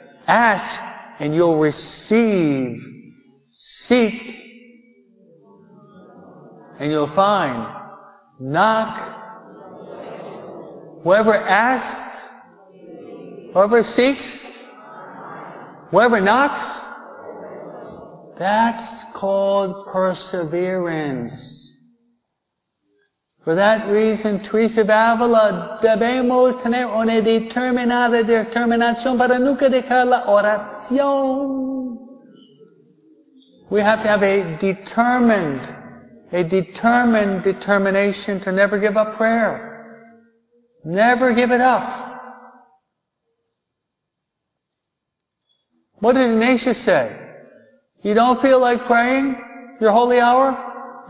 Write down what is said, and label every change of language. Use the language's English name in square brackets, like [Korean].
[English] Ask and you'll receive. Seek and you'll find. Knock. Whoever asks, whoever seeks, whoever knocks, that's called perseverance. For that reason, [Spanish] Teresa of Avila, debemos tener una determinada determinación para nunca dejar la oración. [English] We have to have a determined determination to never give up prayer. Never give it up. What did Ignatius say? You don't feel like praying your holy hour?